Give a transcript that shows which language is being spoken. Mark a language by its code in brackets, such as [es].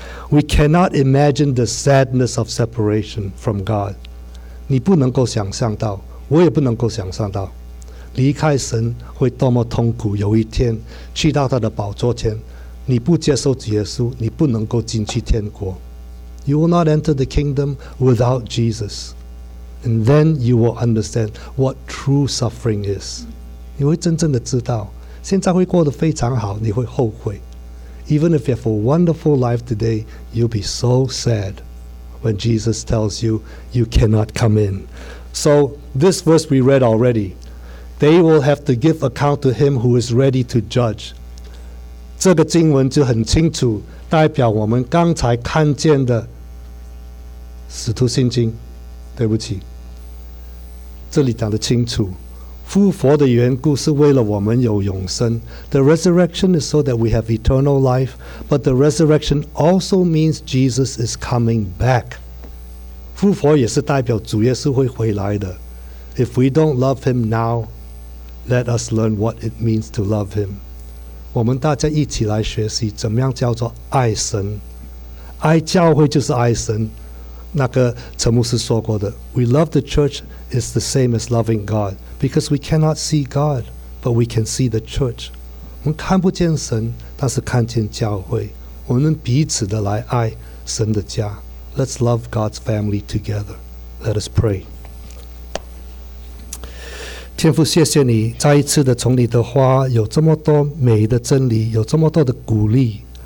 [en] We cannot imagine the sadness of separation from God. [zh] 你不能够想象到，我也不能够想象到离开神会多么痛苦。有一天去到他的宝座前，你不接受主耶稣，你不能够进去天国。 [en] You will not enter the kingdom without Jesus. And then you will understand what true suffering is. [zh] 你会真正的知道，现在会过得非常好，你会后悔。 [en] Even if you have a wonderful life today, you'll be so sad when Jesus tells you, you cannot come in. So this verse we read already. They will have to give account to him who is ready to judge. [zh] 这个经文就很清楚，代表我们刚才看见的使徒信经。对不起，这里讲得清楚，复活的缘故是为了我们有永生。 [en] The resurrection is so that we have eternal life, but the resurrection also means Jesus is coming back. [zh] 复活也是代表主耶稣会回来的。 [en] If we don't love him now, let us learn what it means to love him. [zh] 我们大家一起来学习怎么样叫做爱神。爱教会就是爱神，那个陈牧师说过的， [en] We love the church is the same as loving God, because we cannot see God, but we can see the church. [zh] 我们看不见神，但是看见教会，我们彼此的来爱神的家。 [en] Let's love God's family together. Let us pray. [zh] 天父，谢谢你再一次的从你的话有这么多美的真理，有这么多的鼓励。